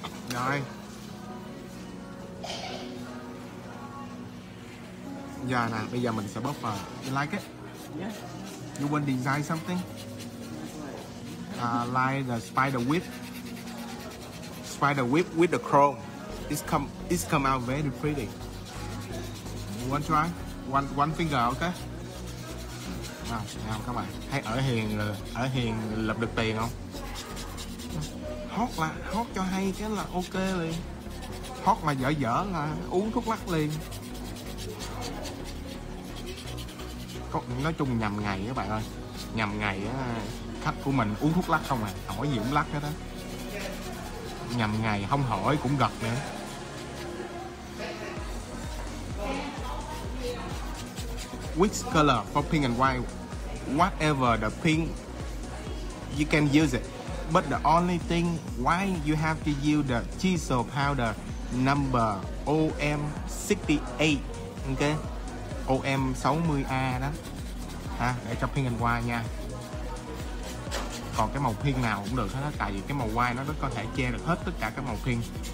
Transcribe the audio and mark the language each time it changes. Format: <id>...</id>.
<vi>Rồi giờ nè, bây giờ mình sẽ bóp phở.</vi> <en>You like it? Yeah. You want design something? Like the spider whip. Spider whip with the chrome. It's come out very pretty. You want try? One finger, okay?</en> <vi>Nào, nào các bạn. Thấy ở hiền lập được tiền không? Hót cho hay cái là ok liền. Hót mà dở dở là uống thuốc lắc liền. Nói chung nhầm ngày các bạn ơi, nhầm ngày á, khách của mình uống thuốc lắc không à, hỏi gì cũng lắc hết á, nhầm ngày không hỏi cũng gật nữa.</vi> <en>Which color for pink and white? Whatever the pink you can use it, but the only thing why you have to use the chisel powder number OM68, okay, OM60A đó.</en> <vi>À, để cho</vi> <en>pink and white</en> <vi>nha. Còn cái màu pink nào cũng được hết, tại vì cái màu white nó có thể che được hết tất cả các màu pink.</vi>